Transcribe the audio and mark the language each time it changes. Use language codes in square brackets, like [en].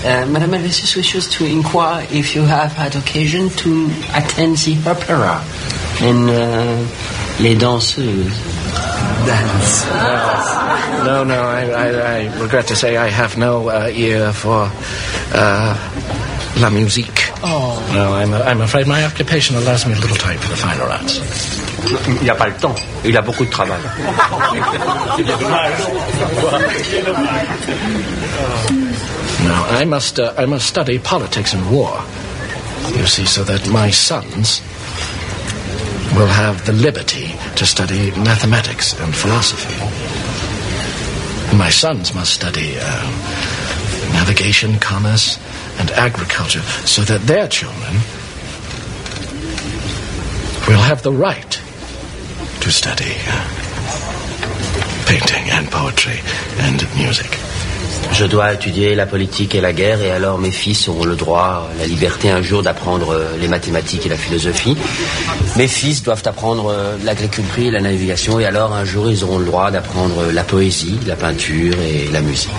[en] Madame Alessis wishes to inquire if you have had occasion to attend the opera and Les Danseuses. No, I regret to say I have no ear for [fr] la musique. [en] Oh. No, I'm afraid my occupation allows me a little time for the finer arts. [fr] Il n'y a pas le temps, il a beaucoup de travail. [en] Now, I must study politics and war, you see, so that my sons will have the liberty to study mathematics and philosophy. My sons must study navigation, commerce, and agriculture so that their children will have the right to study painting and poetry and music. [fr] Je dois étudier la politique et la guerre, et alors mes fils auront le droit, la liberté un jour d'apprendre les mathématiques et la philosophie. Mes fils doivent apprendre l'agriculture et la navigation, et alors un jour ils auront le droit d'apprendre la poésie, la peinture et la musique.